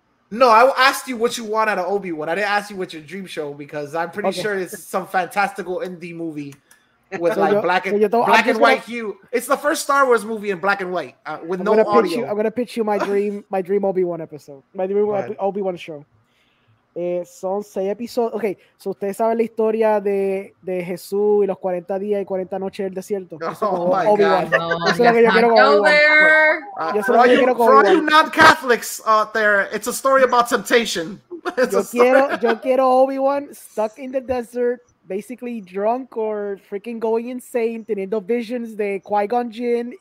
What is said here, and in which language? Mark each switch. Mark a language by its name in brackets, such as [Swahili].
[English] No, I asked you what you want out of Obi-Wan. I didn't ask you what your dream show because I'm pretty sure it's some fantastical indie movie with black and white. It's the first Star Wars movie in black and white with no audio. I'm going to pitch you my dream Obi-Wan episode. My dream Obi-Wan show. [Spanish] Son 6 episodios. Okay, so ustedes saben la historia de Jesús y los 40 días y 40 noches del desierto. [English] For all you non-Catholics out there, it's a story about temptation. [Spanish] Yo quiero [English] Obi-Wan stuck in the desert, basically drunk or freaking going insane, teniendo visions de Qui-Gon Jinn.